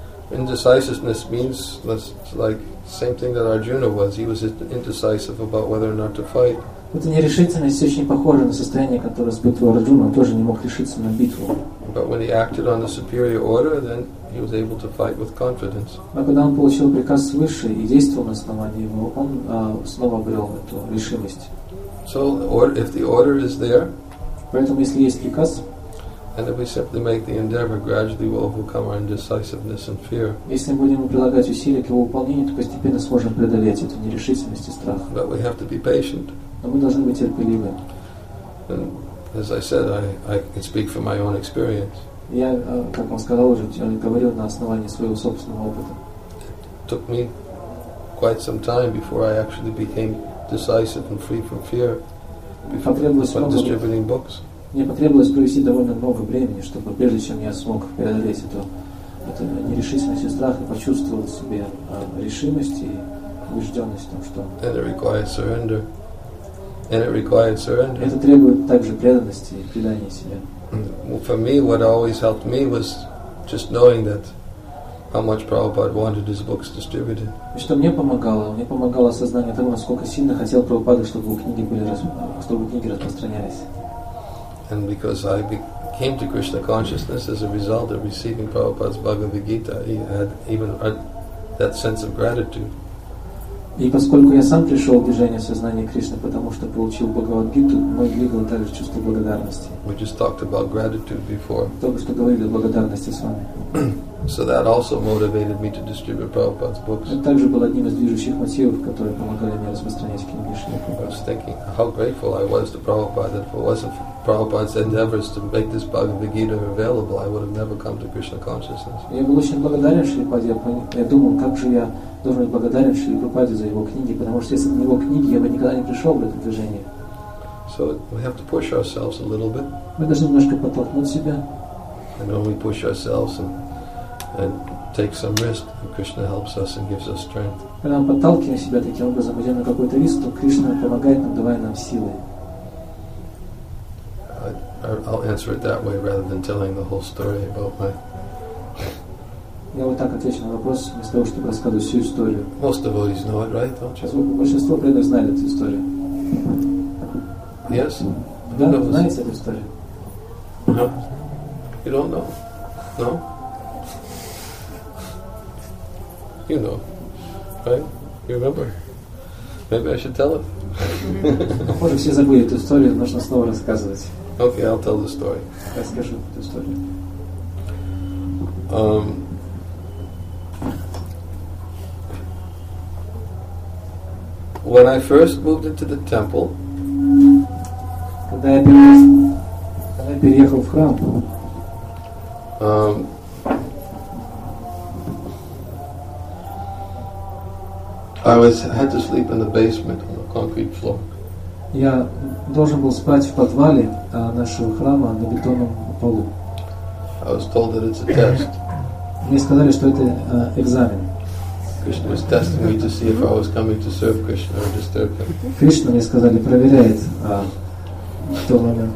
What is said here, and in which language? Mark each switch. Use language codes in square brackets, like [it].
[en] Indecisiveness means that's like same thing that Arjuna was. He was indecisive about whether or not to fight. [ru] Эта нерешительность очень похожа на состояние, которое испытывал Арджуна. Он тоже не мог решиться на битву. [en] But when he acted on the superior order, then he was able to fight with confidence. [ru] Но когда он получил приказ свыше и действовал на основании его, он снова обрел эту решимость. [en] So, or if the order is there, [ru] поэтому если есть приказ. [en] And if we simply make the endeavor, gradually we'll overcome our indecisiveness and fear. [ru] Если будем прилагать усилия к его выполнению, то постепенно сможем преодолеть эту нерешительность и страх. [en] But we have to be patient. [ru] Но мы должны быть терпеливы. [en] And as I said, I can speak from my own experience. [ru] Я, как он сказал уже, говорил на основании своего собственного опыта. [en] It took me quite some time before I actually became decisive and free from fear. Distributing books. [ru] Мне потребовалось провести довольно много времени, чтобы прежде чем я смог преодолеть эту нерешительность и страх, и почувствовал в себе решимость и убежденность в том, что. [en] And it required surrender. And it required surrender. [ru] Это требует также преданности и предания себя. [en] Well, for me, what always helped me was just knowing that how much Prabhupada wanted his books distributed. [ru] И что мне помогало? Мне помогало осознание того, насколько сильно хотел Прабхупада, чтобы книги были распространялись. [en] And because I came to Krishna consciousness as a result of receiving Prabhupada's Bhagavad Gita, he had even that sense of gratitude. [ru] И поскольку я сам пришел в движение сознания Кришны, потому что получил Бхагавад Гиту, мой двигало также чувство благодарности. [en] We just talked about gratitude before. [ru] Только что говорили о благодарности с вами. [en] So that also motivated me to distribute Prabhupada's books. [ru] Это также был одним из движущих мотивов, которые помогали мне распространять книги Кришны. [en] I was thinking how grateful I was to Prabhupada that if it wasn't for Prabhupada's endeavors to make this Bhagavad Gita available, I would have never come to Krishna consciousness. [ru] Я был очень благодарен Шри Прабхупаде. Я думал, как же я должен быть благодарен Шри Прабхупаде за его книги, потому что если бы не его книги, я бы никогда не пришел в это движение. [en] So we have to push ourselves a little bit. [ru] Мы должны немножко подтолкнуть себя. [en] And when we push ourselves and take some risk, and Krishna helps us and gives us strength. [ru] Когда мы подталкиваем себя таким образом, идем на какой-то риск, то Кришна помогает нам, давая нам силы. [en] I'll answer it that way rather than telling the whole story about my. [ru] Я вот так отвечу на вопрос вместо того, чтобы рассказывать всю историю. [en] Most devotees know it, right? Don't you? [ru] Большинство преданных знает эту историю. [en] Yes. [ru] Да, знаете эту историю? [en] No. You don't know? No. You know, right? You remember? Maybe I should tell it. [ru] Похоже, все забыли эту историю, нужно снова рассказывать. [en] Okay, I'll tell the story. [ru] Расскажу эту историю. [en] When I first moved into the temple, [ru] когда я переехал в храм, [en] I had to sleep in the basement on the concrete floor. [ru] Я должен был спать в подвале нашего храма на бетонном полу. [en] I was told that it's a test. [ru] Мне сказали, что это экзамен. [en] Krishna was testing me to see if I was coming to serve Krishna or disturb him. [ru] Krishna мне сказали проверяет в тот момент.